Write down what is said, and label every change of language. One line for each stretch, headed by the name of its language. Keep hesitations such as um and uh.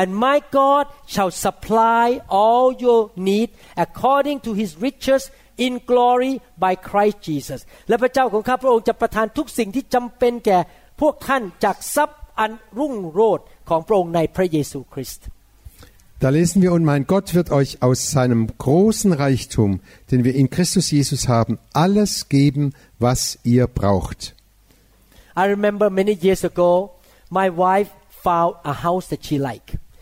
English: And my God shall supply all your need according to his riches in glory by Christ Jesus
Thai: และพระเจ้าของข้าพระองค์จะประทานทุกสิ่งที่จำเป็นแก่พวกท่านจากทรัพย์อันรุ่งโรจน์ของพระองค์ในพระเยซูคริสต์
German: Da lesen wir, und mein Gott wird euch aus seinem großen Reichtum, den wir in Christus Jesus haben, alles geben, was ihr braucht.
English: I remember many years ago, my wife found a house that she liked.